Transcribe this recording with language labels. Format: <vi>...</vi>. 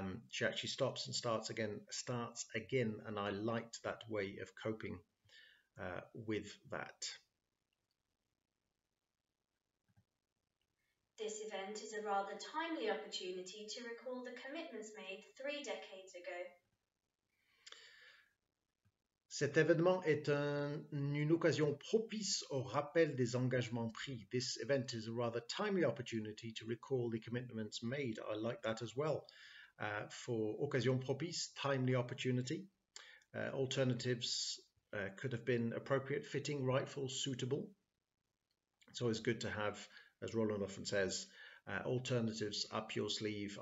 <en>She actually stops and starts again, and I liked that way of coping with that. This event is a rather timely opportunity to recall the commitments made 3 decades ago.</en> <fr>Cet événement est une occasion propice au rappel des engagements pris.</fr> <en>This event is a rather timely opportunity to recall the commitments made. I like that as well. For</en> <fr>occasion propice,</fr> <en>timely opportunity. Alternatives could have been appropriate, fitting, rightful, suitable. It's always good to have, as Roland often says, alternatives up your sleeve.</en>